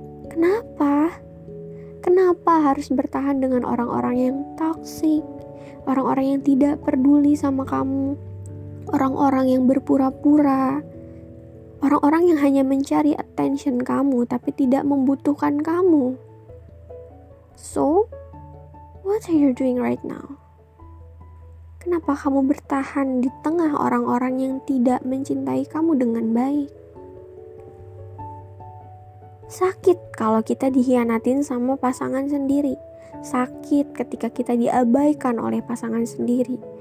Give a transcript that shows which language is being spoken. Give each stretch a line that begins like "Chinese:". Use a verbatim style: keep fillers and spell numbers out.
Indonesian: Kenapa? Kenapa harus bertahan dengan orang-orang yang toksik? Orang-orang yang tidak peduli sama kamu? Orang-orang yang berpura-pura? Orang-orang yang hanya mencari attention kamu tapi tidak membutuhkan kamu.
English: So, what are you doing right now?
Indonesian: Kenapa kamu bertahan di tengah orang-orang yang tidak mencintai kamu dengan baik? Sakit kalau kita dikhianatin sama pasangan sendiri. Sakit ketika kita diabaikan oleh pasangan sendiri.